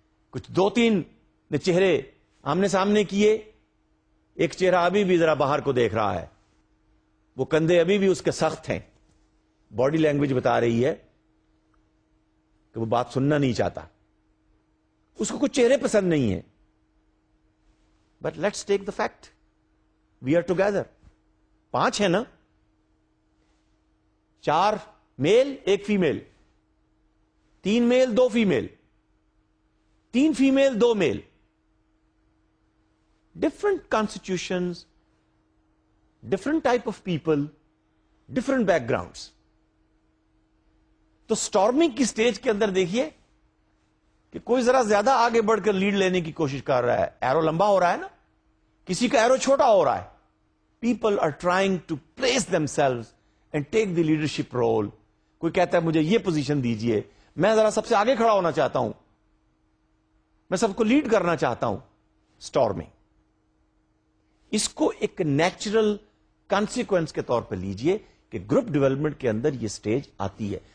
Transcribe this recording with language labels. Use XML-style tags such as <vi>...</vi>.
<ur>کچھ دو تین نے چہرے آمنے سامنے کیے, ایک چہرہ ابھی بھی ذرا باہر کو دیکھ رہا ہے, وہ کندھے ابھی بھی اس کے سخت ہیں. باڈی لینگویج بتا رہی ہے کہ وہ بات سننا نہیں چاہتا, اس کو کچھ چہرے پسند نہیں ہے.</ur> <en>But let's take the fact, we are together.</en> <ur>پانچ ہیں نا, چار میل ایک فیمیل, تین میل دو فیمیل, تین female do mile,</ur> <en>Different constitutions, different type of people, different backgrounds.</en> <ur>تو storming کی stage کے اندر دیکھیے کہ کوئی ذرا زیادہ آگے بڑھ کر lead لینے کی کوشش کر رہا ہے. arrow لمبا ہو رہا ہے نا, کسی کا arrow چھوٹا ہو رہا ہے.</ur> <en>people are trying to place themselves and take the leadership role.</en> <ur>کوئی کہتا ہے مجھے یہ position دیجئے, میں ذرا سب سے آگے کھڑا ہونا چاہتا ہوں, میں سب کو lead کرنا چاہتا ہوں. storming اس کو ایک نیچرل کانسیکوینس کے طور پر لیجئے کہ گروپ ڈیولپمنٹ کے اندر یہ سٹیج آتی ہے.</ur>